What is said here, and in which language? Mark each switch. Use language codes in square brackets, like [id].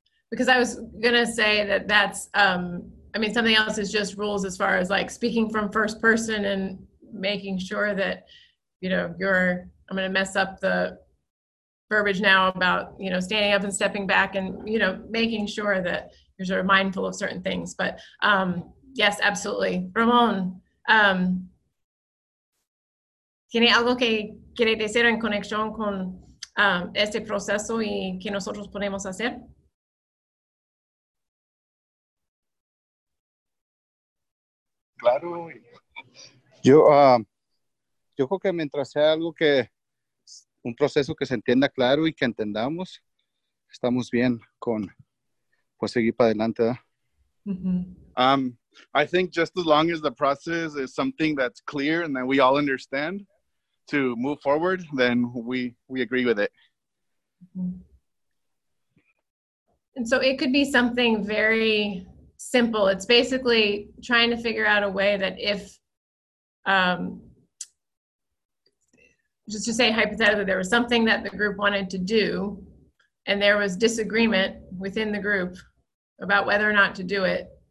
[en] Because I was gonna say that's, I mean, something else is just rules as far as like speaking from first person and making sure that I'm going to mess up the verbiage now about, standing up and stepping back and, making sure that you're sort of mindful of certain things. But yes, absolutely. [es] Ramon, ¿tiene algo que quiere decir en conexión con este proceso y que nosotros podemos hacer? Claro. Yo creo que mientras sea algo que un proceso que se entienda claro y que entendamos, estamos bien con pues seguir para adelante. Mm-hmm. [en] I think just as long as the process is something that's clear and that we all understand to move forward, then we agree with it. Mm-hmm. And so it could be something very simple. It's basically trying to figure out a way that if just to say hypothetically, there was something that the group wanted to do and there was disagreement within the group about whether or not to do it.